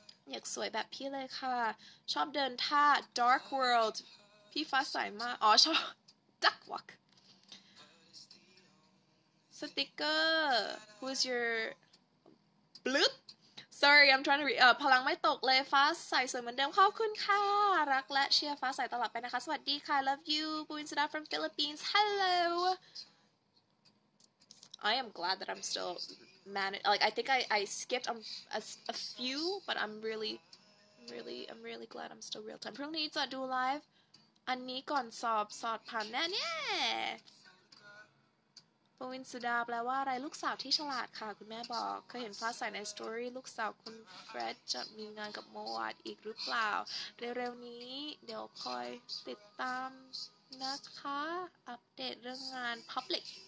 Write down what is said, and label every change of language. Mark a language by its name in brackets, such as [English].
[Thai] อยากสวยแบบพี่เลยค่ะชอบเดินท่า Dark World พี่ฟ้าใสมากอ๋อชอบ Duck Walk สติ๊กเกอร์ [English] Who's your Bloop Sorry I'm trying to read พลังไม่ตกเลยฟ้าใสสวยเหมือนเดิมขอบคุณค่ะรักและเชียร์ฟ้าใสตลอดไปนะคะสวัสดีค่ะ Love you บูนสดา from Philippines Hello I am glad that I'm still managed like I think I skipped a few but I'm really glad I'm still real time [Thai] พรุ่งนี้จะดู live อันนี้ก่อนสอบผ่านแน่เนี่ยปวินสุดาแปลว่าอะไรลูกสาวที่ฉลาดค่ะคุณแม่บอกเคยเห็นฟ้าใสในสตอรี่ลูกสาวคุณเฟรดจะมีงานกับโมวัดอีกหรือเปล่าเร็วๆนี้เดี๋ยวคอยติดตามนะคะอัปเดตเรื่องงาน Public